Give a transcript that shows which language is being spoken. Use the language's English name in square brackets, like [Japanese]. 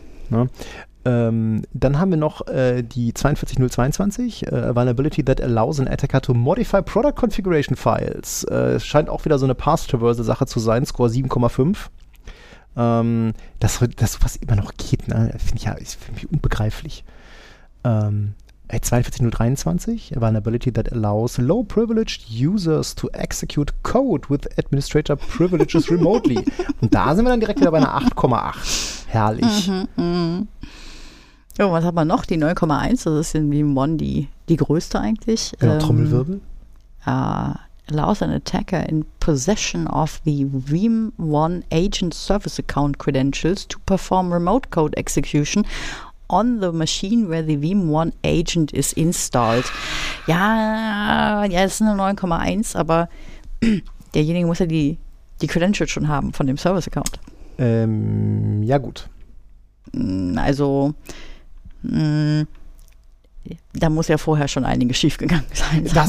[German] Ne? Dann haben wir noch die [English] 42022, Vulnerability that allows an attacker to modify product configuration files. [German] Scheint auch wieder so eine Path-Traversal Sache zu sein, Score 7,5. Dass sowas immer noch geht, ne? Finde ich unbegreiflich. [English] 42023, Vulnerability that allows low-privileged users to execute code with administrator privileges remotely. [German] Und da sind wir dann direkt wieder bei einer 8,8. Herrlich. Mhm. Oh, was hat man noch? Die 9,1, das ist irgendwie one die größte eigentlich. Genau, Trommelwirbel. [English] Allows an attacker in possession of the Veeam One Agent Service Account Credentials to perform remote code execution on the machine where the Veeam One Agent is installed. [German] Ja, es ist eine 9,1, aber derjenige muss ja die Credentials schon haben von dem Service-Account. Ja, gut. Also, da muss ja vorher schon einiges schiefgegangen sein.